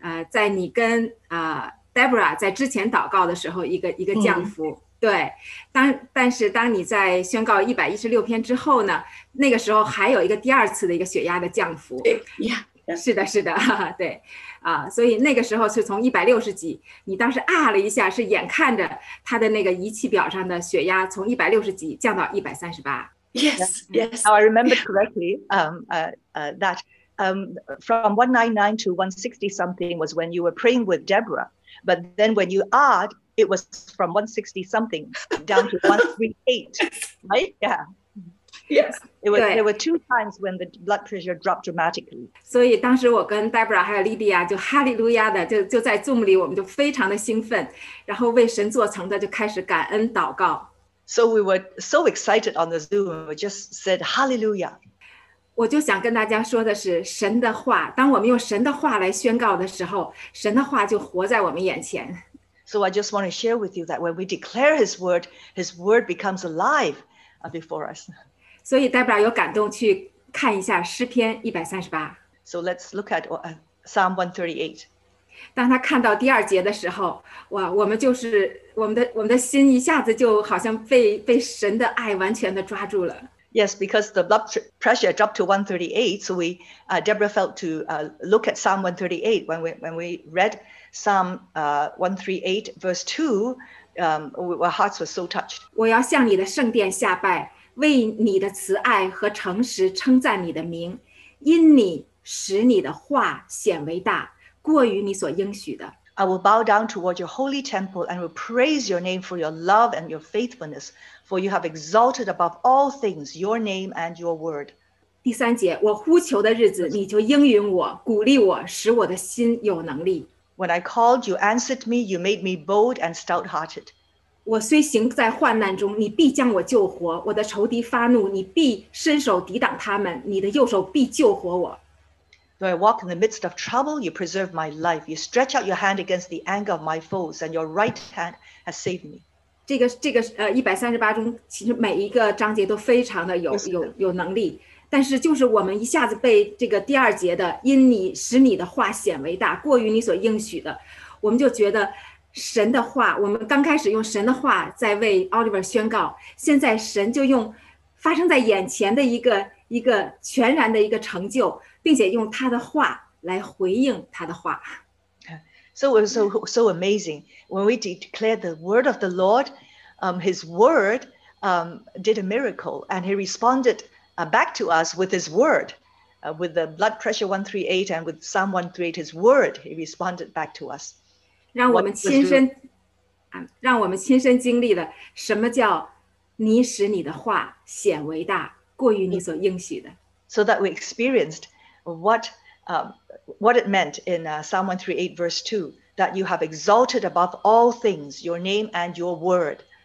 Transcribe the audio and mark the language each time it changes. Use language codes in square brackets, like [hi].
[zh] 在你跟Deborah 在之前祷告的时候一个降幅、嗯、对但是当你在宣告116篇之后呢那个时候还有一个第二次的一个血压的降幅对、yeah. 是的哈哈对所以那个时候是从160几你当时啊了一下是眼看着他的那个仪器表上的血压从160几降到138 [en] yes now I remember correctly that from 199 to 160 something was when you were praying with Deborah, but then when you add, it was from 160 something down to 138, right? Yeah. Yes. There were two times when the blood pressure dropped dramatically. [zh] 所以当时我跟 Deborah 还有 Lydia 就哈利路亚的 就在 Zoom 里我们就非常的兴奋然后为神做成的就开始感恩祷告。 [en] So we were so excited on the Zoom, we just said hallelujah. [zh] 我就想跟大家说的是神的话当我们用神的话来宣告的时候神的话就活在我们眼前。 [en] So I just want to share with you that when we declare his word becomes alive before us. [zh] 所以 Deborah 有感动去看一下诗篇138。 [en] So let's look at Psalm 138. [zh] 当他看到第二节的时候哇我们就是我们的心一下子就好像被神的爱完全的抓住了。 [en] Yes, because the blood pressure dropped to 138, so Deborah felt to look at Psalm 138 when we read Psalm 138, verse 2, our hearts were so touched. [zh] 我要向你的圣殿下拜，为你的慈爱和诚实称赞你的名，因你使你的话显为大，过于你所应许的。 [en] I will bow down toward your holy temple and will praise your name for your love and your faithfulness, for you have exalted above all things your name and your word. [zh] 第三节，我呼求的日子，你就应允我，鼓励我，使我的心有能力。 [en] When I called, you answered me, you made me bold and stout-hearted. [zh] 我虽行在患难中，你必将我救活，我的仇敌发怒，你必伸手抵挡他们，你的右手必救活我。 [en] Though I walk in the midst of trouble, you preserve my life. You stretch out your hand against the anger of my foes, and your right hand has saved me. [zh] 138中其实每一个章节都非常的有能力，但是就是我们一下子被这个第二节的因你使你的话显为大，过于你所应许的，我们就觉得神的话，我们刚开始用神的话在为 Oliver 宣告，现在神就用发生在眼前的一个全然的一个成就。并且用他的话来回应他的话。 [en] So it was so amazing. When we declared the word of the Lord, his word did a miracle and he responded back to us with his word, with the blood pressure 138 and with Psalm 138, his word, he responded back to us. [zh] 让我们亲身经历了什么叫你使你的话显为大，过于你所应许的。 [en] So that we experienced what it meant in Psalm 138 verse 2 that you have exalted above all things your name and your word.